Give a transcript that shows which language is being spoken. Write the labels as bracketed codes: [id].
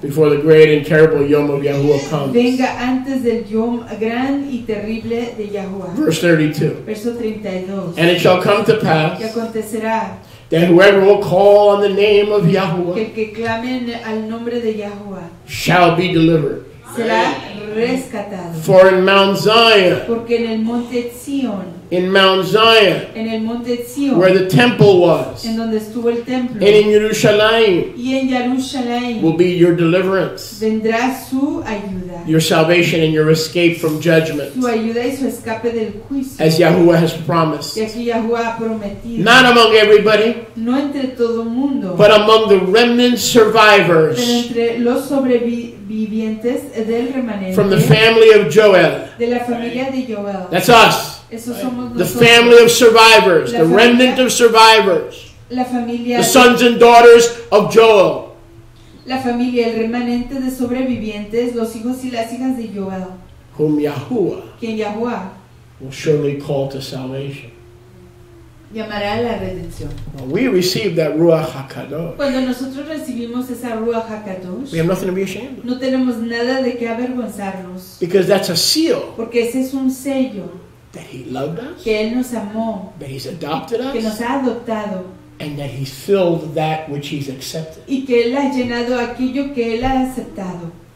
[en] before the great and terrible Yom of Yahuwah comes, [es] venga antes del Yom gran y terrible de Yahuwah. [en] Verse 32. And it shall come to pass [es] que acontecerá [en] that whoever will call on the name of Yahuwah [es] que clamen al nombre de Yahuwah [en] shall be delivered. [es] Será rescatado. [en] For in Mount Zion. [es] Porque en el monte Zion. [en] In Mount Zion. [es] En el monte Zion. [en] Where the temple was. [es] En donde estuvo el templo. [en] And in Jerusalem. [es] Y en Jerusalén. [en] Will be your deliverance. [es] Vendrá su ayuda. [en] Your salvation and your escape from judgment. [es] Su ayuda y su escape del juicio. [en] As Yahuwah has promised. [es] Y así Yahuwah ha prometido. [en] Not among everybody. [es] No entre todo mundo. [en] But among the remnant survivors. [es] Pero entre los sobrevivientes del remanente. [en] From the family of Joel. [es] De la familia de Joel. [en] That's us. [es] Eso somos [en] the family of survivors, [es] la [en] the [es] familia, [en] remnant of survivors, [es] la familia, [en] the sons and daughters of Joel. [es] La familia, el remanente de sobrevivientes, los hijos y las hijas de Joel. [en] Whom Yahuwah, [es] quien Yahuwah [en] will surely call to salvation. [es] Llamará a la redención. [en] Well, we receive that Ruach HaKadosh. [es] Cuando nosotros recibimos esa Ruach HaKadosh, [en] we have nothing to be ashamed of. [es] No tenemos nada de qué avergonzarnos. [en] Because that's a seal. [es] Porque ese es un sello. [en] That he loved us. [es] Que él nos amó. [en] That he's adopted us. [es] Que nos ha adoptado. [en] And that he's filled that which he's accepted. [es] Y que él ha llenado aquello que él ha aceptado.